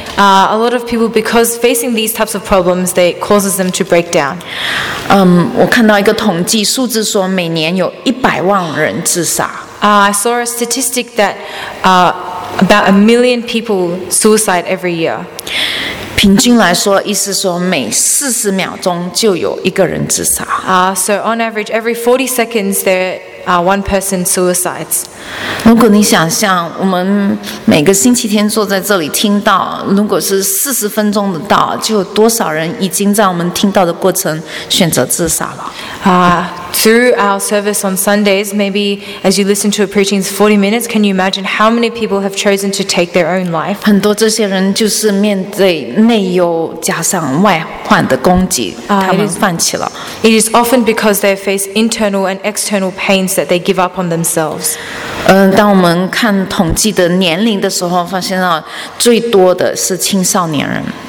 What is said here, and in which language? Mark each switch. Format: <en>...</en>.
<en>A lot of people, because facing these types of problems, they causes them to break down.</en> <zh>我看到一个统计数字说，每年有100万人自杀。</zh> <en>I saw a statistic that about 1 million people suicide every year.</en> <zh>平均来说，意思说每40秒钟就有一个人自杀。</zh> <en>So on average, every 40 seconds there. One person suicides.</en> <zh>如果你想象我们每个星期天坐在这里听到，如果是四十分钟的道，就有多少人已经在我们听到的过程选择自杀了？</zh> <en>Through our service on Sundays, maybe as you listen to a preaching's 40 minutes, can you imagine how many people have chosen to take their own life?</en> <zh>很多这些人就是面对内忧加上外患的攻击，他们放弃了。</zh> <en>It is often because they face internal and external painsthat they give up on themselves.</en> <zh>当我们看统计的年龄的时候，发现到最多的是青少年人。</zh>